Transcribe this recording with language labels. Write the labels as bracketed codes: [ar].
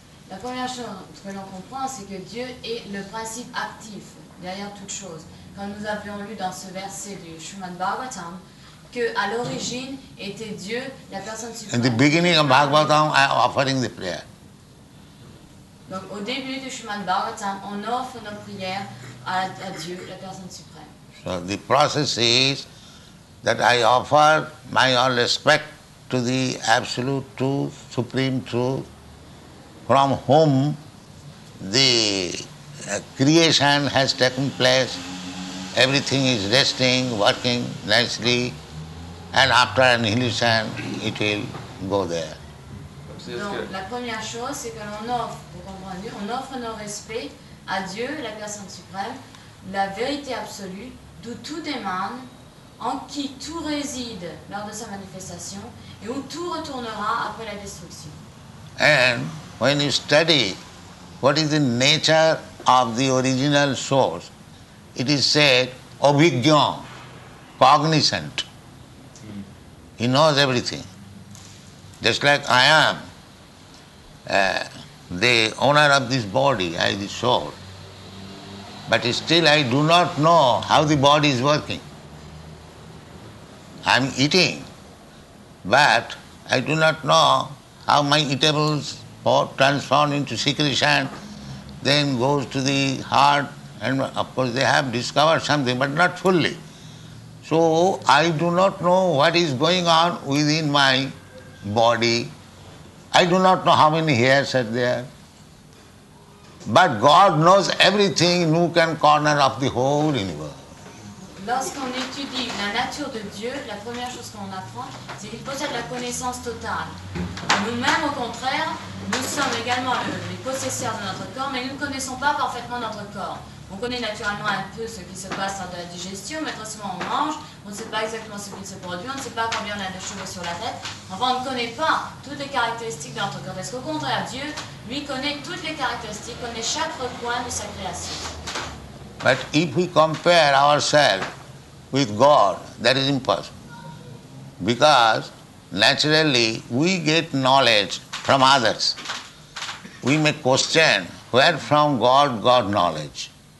[fr] La première chose que l'on comprend, c'est que Dieu est le principe actif derrière toute chose. Comme nous avions lu dans ce verset du Srimad Bhagavatam, que à l'origine était Dieu, la personne suprême. [en] In the beginning of Bhagavatam, I am offering the prayer. [fr] Donc au début du Srimad Bhagavatam, on offre nos prières à Dieu, la personne suprême. [en] So the process is that I offer my all respect to the absolute truth, supreme truth, from whom the creation has taken place, everything is resting, working nicely, and after annihilation it will go there. [fr] Donc la première chose, c'est que l'on offre, pour comprendre Dieu, on offre nos respects à Dieu, la personne suprême, la vérité absolue, d'où tout émane, en qui tout réside lors de sa manifestation, et où tout retournera après la destruction. [en] And when you study what is the nature of the original source, it is said avijñān, cognizant. He knows everything. Just like I am the owner of this body, I am the soul. But still I do not know how the body is working. I am eating, but I do not know how my eatables or transformed into secretion, then goes to the heart, and of course they have discovered something, but not fully. So I do not know what is going on within my body. I do not know how many hairs are there. But God knows everything, nook and corner of the whole universe. [fr] Lorsqu'on étudie la nature de Dieu, la première chose qu'on apprend, c'est qu'il possède la connaissance totale. Nous-mêmes, au contraire, nous sommes également les possesseurs de notre corps, mais nous ne connaissons pas parfaitement notre corps. On connaît naturellement un peu ce qui se passe dans la digestion, mais très souvent on mange, on ne sait pas exactement ce qui se produit, on ne sait pas combien on a de cheveux sur la tête. Enfin, on ne connaît pas toutes les caractéristiques de notre corps. Parce qu'au contraire, Dieu, lui, connaît toutes les caractéristiques, connaît chaque recoin de sa création. [en] But if we compare ourselves with God, that is impossible. Because naturally we get knowledge from others. We may question where from God got knowledge.